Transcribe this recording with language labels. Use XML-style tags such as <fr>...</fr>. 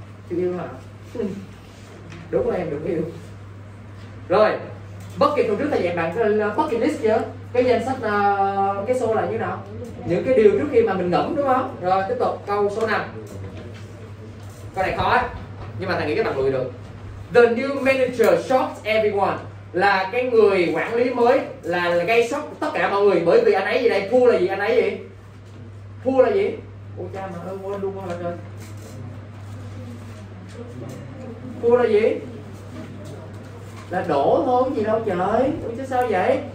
<vi>Chưa yêu hả? Đúng rồi, em đừng yêu. Rồi, bất kỳ phần trước thầy dạy bạn cái bucket list chưa? Cái danh sách cái show là như nào? Những cái điều trước khi mà mình ngẫm đúng không? Rồi, tiếp tục câu số 5. Câu này khó ấy, nhưng mà thầy nghĩ các bạn lùi được.</vi> <en>The new manager shocked everyone.</en> <vi>Là cái người quản lý mới là gây sốc tất cả mọi người. Bởi vì anh ấy gì đây? Poor là gì? Anh ấy gì? Poor là gì? Ôi cha mà ơi, quên luôn rồi trời. Poor là gì? Là đổ thôi, gì đâu trời. Ủa chứ sao vậy?</vi>